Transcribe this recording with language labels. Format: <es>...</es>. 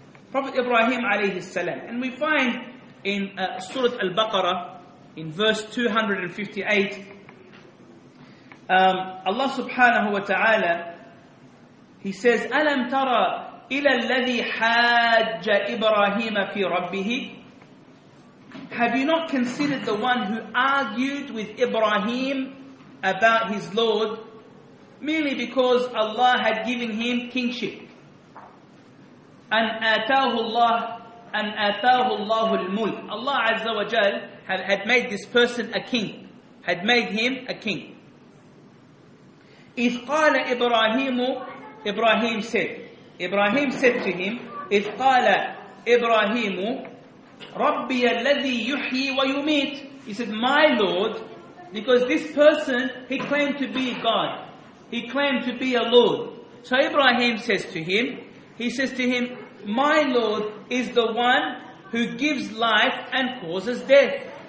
<en>Prophet Ibrahim alayhi salam. And we find in Surah Al-Baqarah, in verse 258, Allah subhanahu wa ta'ala, He says,</en> <ar>أَلَمْ تَرَى إِلَى الَّذِي حَاجَّ إِبْرَاهِيمَ فِي رَبِّهِ.</ar> <en>Have you not considered the one who argued with Ibrahim about his Lord merely because Allah had given him kingship?</en> <ar>And آتَاهُ اللَّهُ الْمُلْكِ.</ar> <en>Allah Azza wa Jal had made this person a king, had made him a king.</en> <ar>إِذْ قَالَ إِبْرَاهِيمُ,</ar> <en>Ibrahim said to him,</en> <ar>إِذْ قَالَ إِبْرَاهِيمُ رَبِّيَ الَّذِي يُحْيِي وَيُمِيتُ.</ar> <en>He said, my Lord, because this person, he claimed to be God. He claimed to be a Lord. So Ibrahim says to him, my Lord is the one who gives life and causes death.</en>